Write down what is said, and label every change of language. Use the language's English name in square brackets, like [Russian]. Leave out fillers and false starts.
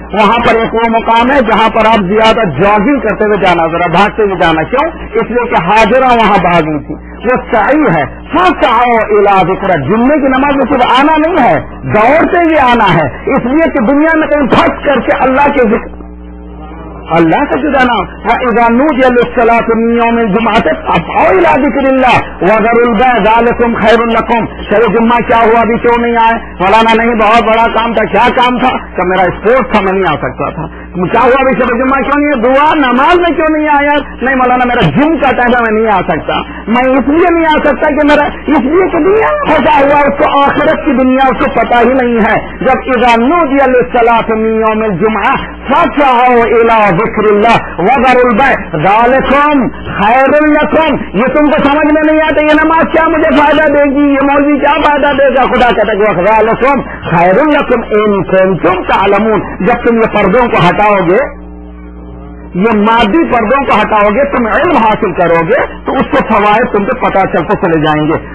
[Urdu] وہاں پر ایک وہ مقام ہے جہاں پر آپ زیادہ جاگنگ کرتے ہوئے جانا, ذرا بھاگتے ہوئے جانا. کیوں؟ اس لیے کہ حاضرہ وہاں بھاگی تھی. وہ سائی ہے. [Arabic] فاسع الی ذکر. [Urdu] جمعے کی نماز میں صرف آنا نہیں ہے, دوڑتے ہوئے آنا ہے. اس لیے کہ دنیا میں کہیں پھنس کر کے اللہ کے ذکر اللہ کا جدا نام. [Arabic] فإذا نودي للصلاة من يوم الجمعة فاسعوا إلى ذكر الله وذروا البيع ذلكم خير لكم. [Urdu] شہر جمعہ کیا ہوا ابھی کیوں نہیں آئے؟ مولانا نہیں بہت بڑا کام تھا. کیا کام تھا؟ کہ میرا اسپورٹ تھا, میں نہیں آ سکتا تھا. کیا ہوا ابھی شہر جمعہ کیوں نہیں ہے؟ دعا نماز میں کیوں نہیں آیا؟ نہیں مولانا میرا جم کا ٹائم تھا, میں نہیں آ سکتا. میں اس لیے نہیں آ سکتا کہ میرا اس لیے کہ دنیا پھنسا ہوا, اس کو آخرت کی دنیا اس کو پتا ہی نہیں ہے. جب [Arabic] إذا نودي للصلاة من يوم الجمعة فاسعوا إلى ذکر اللہ وذر البیع ذلکم خیر لکم. [Urdu] یہ تم کو سمجھ میں نہیں آتا, یہ نماز کیا مجھے فائدہ دے گی, یہ مولوی کیا فائدہ دے گا؟ خدا کہتا ہے کہ [Arabic] ذلکم خیر لکم ان کنتم تعلمون. [Urdu] جب تم یہ پردوں کو ہٹاؤ گے, یہ مادی پردوں کو ہٹاؤ گے, تم علم حاصل کرو گے تو اس کے فوائد تم کو پتا چلتے چلے جائیں گے.